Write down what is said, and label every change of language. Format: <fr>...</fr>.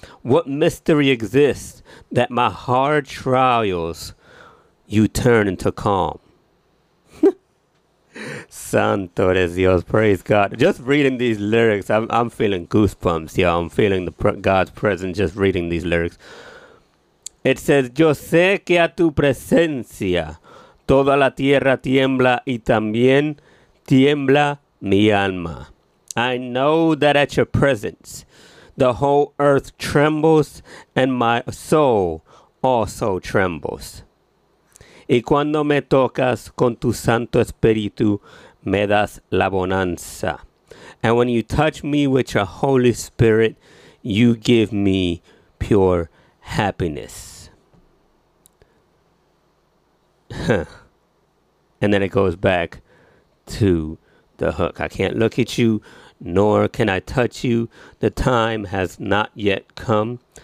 <en>What mystery exists that my hard trials you turn into calm?</en> <es>Santo de Dios,</es> <en>praise God. Just reading these lyrics, I'm feeling goosebumps, y'all. I'm feeling God's presence just reading these lyrics. It says,</en> <es>yo sé que a tu presencia toda la tierra tiembla y también tiembla mi alma.</es> <en>I know that at your presence the whole earth trembles and my soul also trembles.</en> <es>y cuando me tocas con tu Santo Espíritu, me das la bonanza.</es> <en>And when you touch me with your Holy Spirit, you give me pure happiness. And then it goes back to the hook. I can't look at you, nor can I touch you. The time has not yet come.</en>